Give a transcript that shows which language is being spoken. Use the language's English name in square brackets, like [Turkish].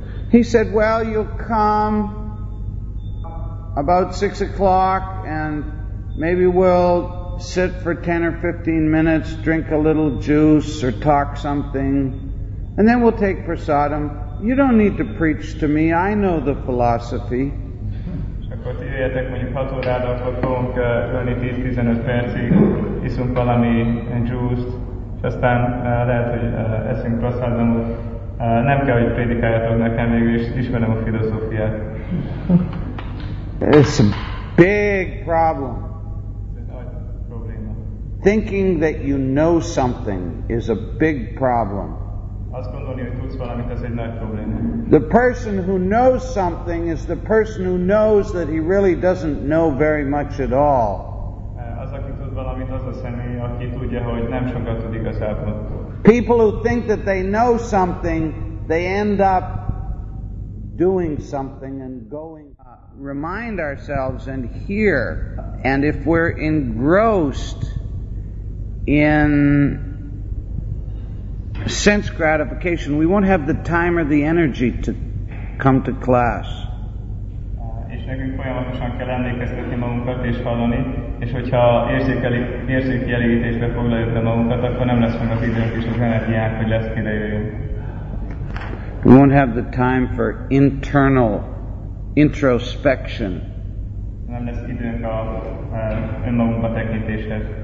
[English] He said, well, you'll come about 6 o'clock and maybe we'll sit for 10 or 15 minutes, drink a little juice or talk something, and then we'll take prasadam. You don't need to preach to me. I know the philosophy. [Hungarian] Akkor ti jöjjetek mondjuk 6 órára, akkor fogunk ülni 10-15 percig, iszunk valami juice-t, és aztán lehet, hogy eszünk prasadamot. Nem kell, hogy prédikáljatok nekem, mégis ismerem a filozófiát. [English] It's a big problem. [Hungarian] Ez egy nagy probléma. [English] Thinking that you know something is a big problem. [Hungarian] Azt gondolni, hogy tudsz valamit, ez egy nagy probléma. [English] The person who knows something is the person who knows that he really doesn't know very much at all. [Hungarian] Az, aki tud valamit, az a személy, aki tudja, hogy nem sokat tud igazából. [English] People who think that they know something, they end up doing something and going. Remind ourselves and hear. And if we're engrossed in sense gratification, we won't have the time or the energy to come to class. [Hungarian] És nekünk folyamatosan kell emlékeztetni magunkat és hallani, és hogyha érzékelítésbe foglaljuk be magunkat, akkor nem lesz meg az időnk és az energiánk, hogy lesz kire jöjjünk. [English] We won't have the time for internal introspection. [Hungarian] Nem lesz időnk önmagunkba tekintéshez.